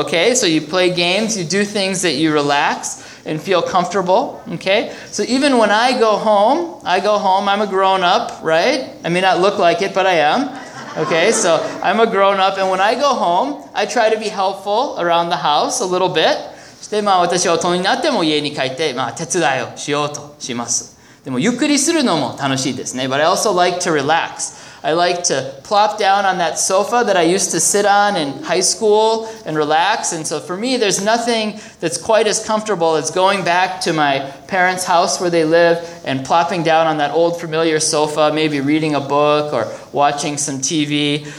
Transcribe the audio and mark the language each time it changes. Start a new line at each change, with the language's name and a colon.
English: Okay, so you play games, you do things that you relax and feel comfortable. Okay, so even when I go home, I'm a grown up, right? I may not look like it, but I am. Okay, so I'm a grown up, and when I go home, I try to be helpful around the house a little bit.
Japanese: して、まあ、私は大人になっても家に帰って、まあ、手伝いをしようとします。でもゆっくりするのも楽しいですね。
English: But I also like to relax. I like to plop down on that sofa that I used to sit on in high school and relax. And so for me, there's nothing that's quite as comfortable as going back to my parents' house where they live and plopping down on that old familiar sofa, maybe reading a book or watching some TV.